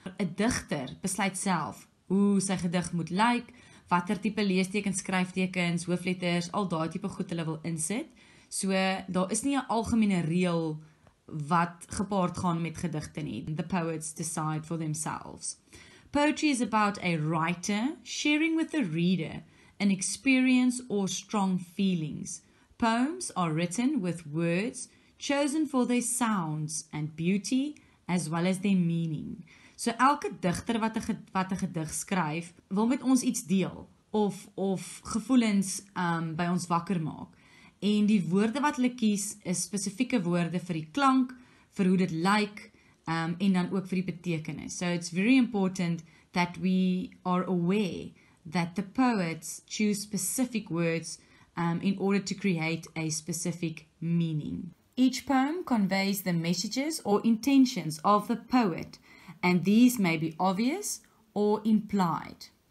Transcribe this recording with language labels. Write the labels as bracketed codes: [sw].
[af] 'n Digter besluit self hoe sy gedig moet lyk, watter tipe leestekens, skryftekens, hoofletters, al daai tipe goed hulle wil insit. So daar is nie 'n algemene reël wat gepaard gaan met gedigte nie. [en] The poets decide for themselves. Poetry is about a writer sharing with the reader an experience or strong feelings. Poems are written with words chosen for their sounds and beauty as well as their meaning. [af] So elke digter wat 'n gedig skryf, wil met ons iets deel of gevoelens by ons wakker maak. En die woorde wat hulle kies is spesifieke woorde vir die klank, vir hoe dit lyk, en dan ook vir die betekenis. [en] So it's very important that we are aware that the poets choose specific words in order to create a specific meaning. Each poem conveys the messages or intentions of the poet, and these may be obvious or implied.